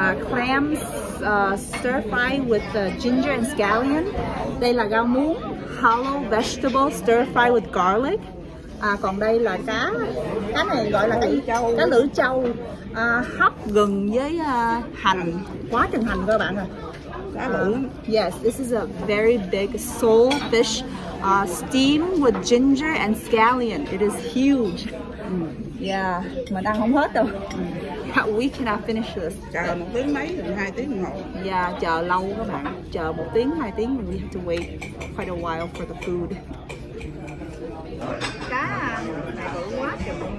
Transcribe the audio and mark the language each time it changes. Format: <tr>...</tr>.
<en>Clams stir fry with ginger and scallion.</en> <vi>Đây là rau muống.</vi> <en>Hollow vegetable stir fry with garlic.</en> <vi>Còn đây là cá này gọi là cá lưỡi trâu. Hấp gừng với hành, quá chừng hành các bạn ạ.</vi> <en>Yes, this is a very big sole fish steamed with ginger and scallion. It is huge.</en> <vi>Yeah, mình ăn không hết đâu.</vi> <en>We cannot finish this.</en> <vi>Chờ 1 tiếng mấy, 2 tiếng ngồi.</vi> <en>Yeah,</en> <vi>chờ lâu các bạn. Chờ 1 tiếng, 2 tiếng,</vi> <en>we have to wait quite a while for the food.</en> <vi>Cá bự quá trời.</vi>